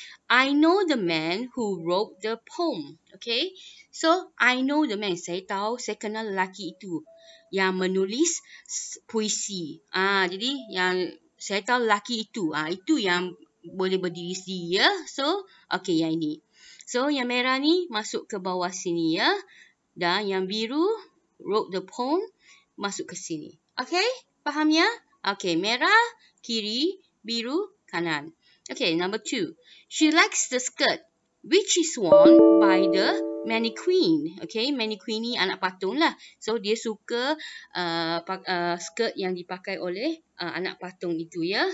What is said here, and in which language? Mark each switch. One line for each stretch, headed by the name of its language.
English: I know the man who wrote the poem. Okey, so I know the man.
Malay: Saya tahu, saya kenal lelaki itu yang menulis puisi. Jadi yang saya tahu lelaki itu. Itu yang boleh berdiri sendiri ya.
English: So, okey
Malay: yang ini. So, yang merah ni masuk ke bawah sini ya. Dan yang biru,
English: wrote the poem,
Malay: masuk ke sini. Okey, faham ya? Okey, merah, kiri, biru, kanan. Okey, number two.
English: She likes the skirt, which is worn by the mannequin.
Malay: Okey, mannequin ni anak patung lah. So, dia suka skirt yang dipakai oleh anak patung itu ya.